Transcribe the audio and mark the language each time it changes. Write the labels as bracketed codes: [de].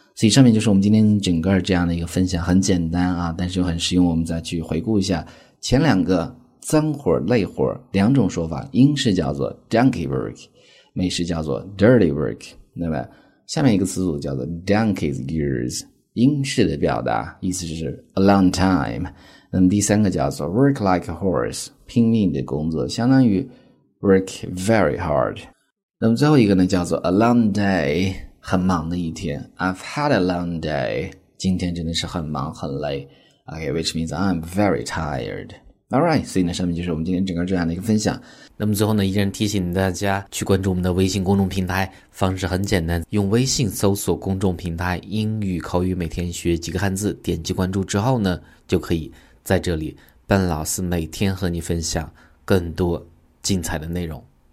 [zh] 所以上面就是我们今天整个这样的一个分享，很简单啊，但是又很实用，我们再去回顾一下前两个脏活累活两种说法，英式叫做 donkey work， 美式叫做 dirty work， 那么下面一个词组叫做 donkey's years， 英式的表达意思是 a long time， 那么第三个叫做 work like a horse， 拼命的工作，相当于 [en] work very hard. [zh] 那么最后一个呢叫做 a long day, 很忙的一天。 [en] I've had a long day, [zh] 今天真的是很忙很累。 [en] Okay, which means I'm very tired. [zh] Alright, 所以呢上面就是我们今天整个这样的一个分享。那么最后呢依然提醒大家去关注我们的微信公众平台，方式很简单，用微信搜索公众平台英语口语每天学几个汉字，点击关注之后呢就可以在这里笨老师每天和你分享更多精彩的内容。